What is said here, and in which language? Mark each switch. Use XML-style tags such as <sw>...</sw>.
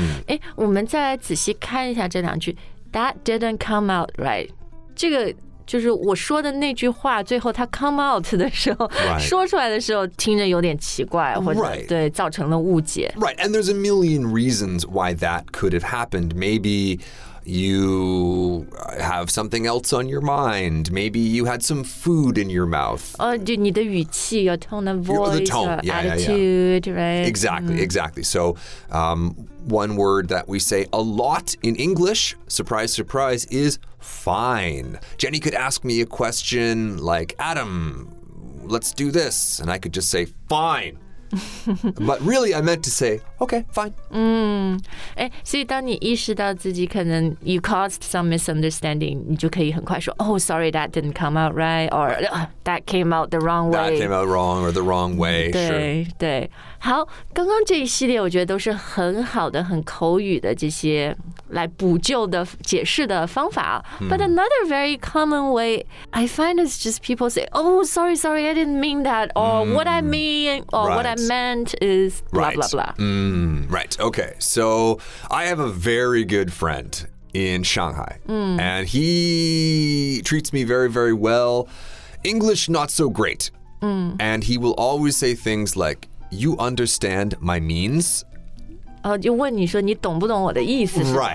<zh>哎，我们再来仔细看一下这两句。</zh> <en>That didn't come out right.</en> <zh>这个就是我说的那句话，最后它</zh> <en>come out</en> <zh>的时候，</zh> <en>right.</en> <zh>说出来的时候听着有点奇怪，或者、</zh> <en>right.</en> <zh>对造成了误解。</zh> <en>Right, and there's a million reasons why that could have happened. Maybe you have something else on your mind. Maybe you had some food in your mouth.</en> <zh>你的语气</zh> <en>，your tone of voice, the tone, attitude, yeah, yeah, yeah. right? Exactly, exactly. So, one word that we say a lot in English, surprise, surprise, is fine. Jenny could ask me a question like, Adam, let's do this. And I could just say, fine. But really, I meant to say, okay, fine.</en> <zh>所以当你意识到自己可能</zh> <en>you caused some misunderstanding,</en> <zh>你就可以很快说</zh> <en>oh, sorry, that didn't come out right, or that came out the wrong way. That came out wrong or the wrong way,</en> <zh>对</zh> <en>sure.</en> <zh>对，好，刚刚这一系列我觉得都是很好的，很口语的这些来补救的解释的方法。</zh> <en>But another very common way I find is just people say, oh, sorry, sorry, I didn't mean that, or what I mean, or what I meant is blah, blah, blah. Right. Okay. So I have a very good friend in Shanghai, and he treats me very, very well. English, not so great. And he will always say things like, you understand my means?</en> <zh>就问你说你懂不懂我的意思是吧</zh>